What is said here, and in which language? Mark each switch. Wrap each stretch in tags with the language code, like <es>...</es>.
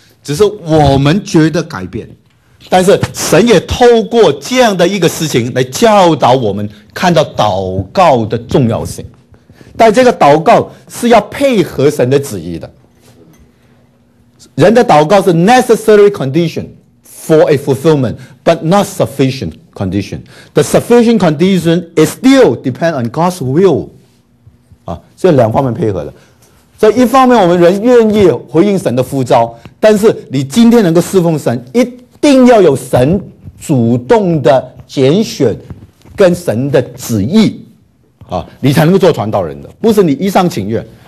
<zh>只是我们觉得改变，但是神也透过这样的一个事情来教导我们看到祷告的重要性。但这个祷告是要配合神的旨意的，人的祷告是</zh> <en>necessary condition for a fulfillment but not sufficient condition. The sufficient condition is still depend on God's will.</en> <zh>啊，这两方面配合的。所以一方面我们人愿意回应神的呼召，但是你今天能够侍奉神，一定要有神主动的拣选跟神的旨意，啊，你才能够做传道人的，不是你一厢情愿。</zh>